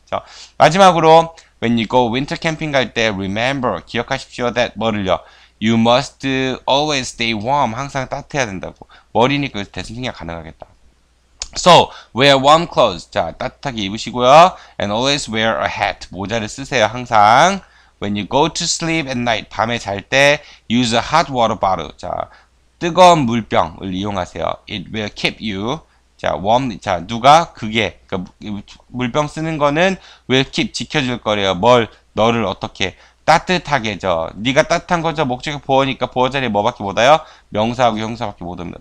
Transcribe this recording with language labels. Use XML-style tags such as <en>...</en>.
<en>자,</en> <ko>마지막으로,</ko> <en>when you go winter camping</en> <ko>갈 때,</ko> <en>remember,</en> <ko>기억하십시오,</ko> <en>that,</en> <ko>뭐를요?</ko> <en>You must always stay warm,</en> <ko>항상 따뜻해야 된다고. 머리니까 대신 생략 가능하겠다.</ko> <en>So, wear warm clothes.</en> <ko>자, 따뜻하게 입으시고요.</ko> <en>And always wear a hat.</en> <ko>모자를 쓰세요, 항상.</ko> <en>When you go to sleep at night,</en> <ko>밤에 잘 때,</ko> <en>use a hot water bottle.</en> <ko>자, 뜨거운 물병을 이용하세요.</ko> <en>It will keep you. 자, warm. 자,</en> <ko>누가? 그게. 그러니까 물병 쓰는 거는 will keep, 지켜줄 거래요. 뭘, 너를 어떻게. 따뜻하게, 저. 네가 따뜻한 거죠? 목적이 보호니까 보호자리에 뭐밖에 못 와요? 명사하고 형사밖에 못 옵니다.</ko>